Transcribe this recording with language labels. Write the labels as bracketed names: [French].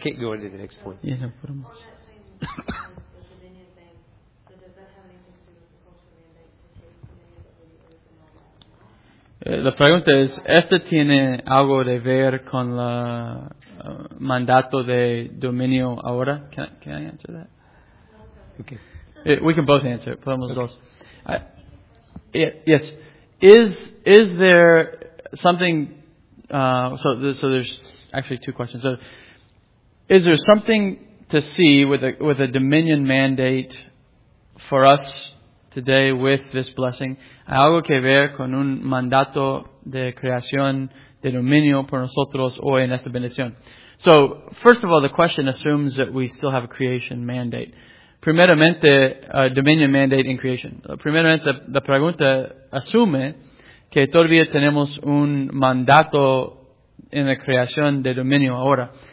[English] I can't go into the next point. Yeah, no problem. On that same thing, the dominion thing, so does that have anything to do with the cultural mandate to take dominion over the earth and all that? [Spanish] La pregunta es, ¿esto tiene algo de ver con el mandato de dominio ahora? [English] Can I answer that? Okay. We can both answer it. [Spanish] Podemos dos. [English] Yes. Is there something, so there's actually two questions. So, is there something to see with a dominion mandate for us today with this blessing? [Spanish] ¿Hay algo que ver con un mandato de creación de dominio por nosotros hoy en esta bendición? [English] So, first of all, the question assumes that we still have a creation mandate. [Spanish] Primeramente, [English] a dominion mandate in creation. [Spanish] Primeramente, la pregunta asume que todavía tenemos un mandato en la creación de dominio ahora.